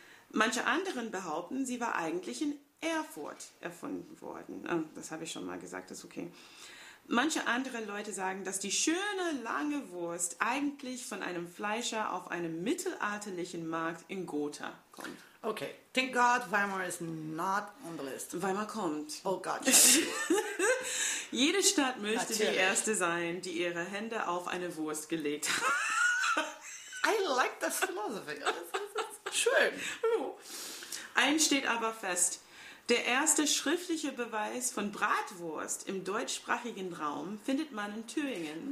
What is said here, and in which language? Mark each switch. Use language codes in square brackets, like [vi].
[de] Manche anderen behaupten, sie war eigentlich in Erfurt erfunden worden. Oh, das habe ich schon mal gesagt, das ist okay. Manche andere Leute sagen, dass die schöne lange Wurst eigentlich von einem Fleischer auf einem mittelalterlichen Markt in Gotha kommt. [en] Okay, thank God Weimar is not on the list. [de] Weimar kommt. Oh Gott. Jede Stadt möchte die erste sein, die ihre Hände auf eine Wurst gelegt hat. [en] I like the philosophy. Schön. [de] Eins steht aber fest. Der erste schriftliche Beweis von Bratwurst im deutschsprachigen Raum findet man in Thüringen.